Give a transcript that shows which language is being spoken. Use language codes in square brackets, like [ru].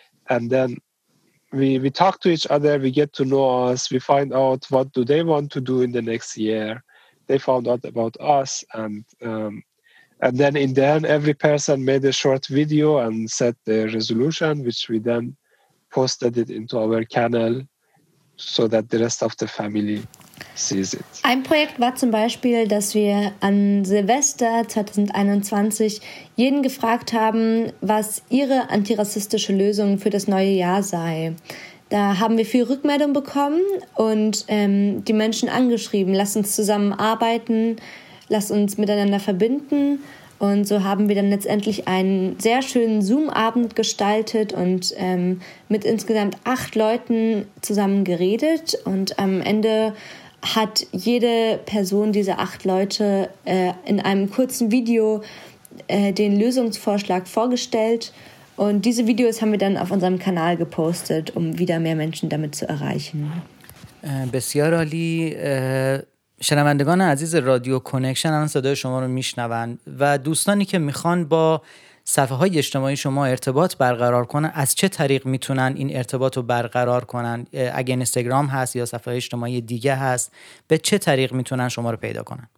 [en] And then we talk to each other, we get to know us, we find out what do they want to do in the next year. They found out about us, and then in the end, every person made a short video and set their resolution, which we then posted it into our channel so that the rest of the family sees it. [de] Ein Projekt war zum Beispiel, dass wir an Silvester 2021 jeden gefragt haben, was ihre antirassistische Lösung für das neue Jahr sei. Da haben wir viel Rückmeldung bekommen und die Menschen angeschrieben, lass uns zusammen arbeiten, lass uns miteinander verbinden. Und so haben wir dann letztendlich einen sehr schönen Zoom-Abend gestaltet und mit insgesamt 8 Leuten zusammen geredet. Und am Ende hat jede Person diese 8 Leute in einem kurzen Video den Lösungsvorschlag vorgestellt. Und diese Videos haben wir dann auf unserem Kanal gepostet, um wieder mehr Menschen damit zu erreichen. Bisher, [fa] Ali, شنوندگان عزیز رادیو کنکشن الان صدای شما رو میشنوند و دوستانی که میخوان با صفحه های اجتماعی شما ارتباط برقرار کنن، از چه طریق میتونن این ارتباط رو برقرار کنن؟ اگه اینستاگرام هست یا صفحه اجتماعی دیگه هست، به چه طریق میتونن شما رو پیدا کنن؟